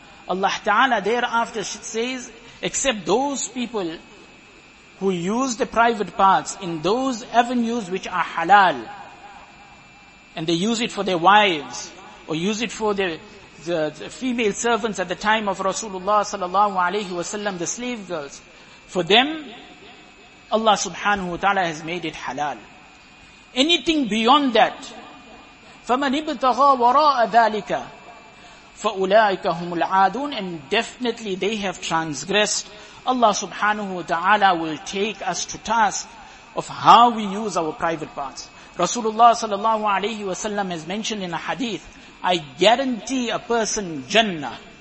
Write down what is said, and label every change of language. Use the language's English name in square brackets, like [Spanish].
[English] Allah Ta'ala thereafter says, except those people who use the private parts in those avenues which are halal, and they use it for their wives, or use it for the female servants at the time of Rasulullah sallallahu alayhi wa sallam, the slave girls. For them, Allah subhanahu wa ta'ala has made it halal. Anything beyond that, [Arabic] فَمَنِ ابْتَغَى وَرَاءَ ذَٰلِكَ فَأُولَٰئِكَ هُمُ الْعَادُونَ. [English] And definitely they have transgressed. Allah subhanahu wa ta'ala will take us to task of how we use our private parts. Rasulullah sallallahu alayhi wa sallam has mentioned in a hadith, I guarantee a person Jannah.